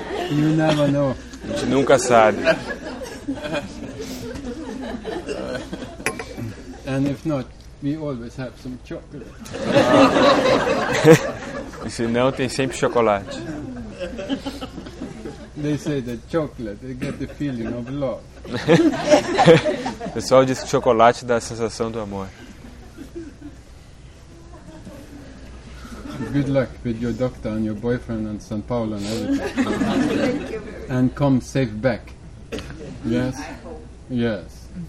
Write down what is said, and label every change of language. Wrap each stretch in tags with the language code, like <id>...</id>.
<en>You never know.</en> <pt>A gente nunca sabe.</pt> <en>And if not, we always have some chocolate.</en> <pt>E se não, tem sempre chocolate.</pt> <en>They say that chocolate, they get the feeling of love.</en> <pt>O pessoal diz que chocolate dá a sensação do amor.</pt> <en>Good luck with your doctor and your boyfriend and São Paulo and everything. And come safe back. Yes? Yes.</en>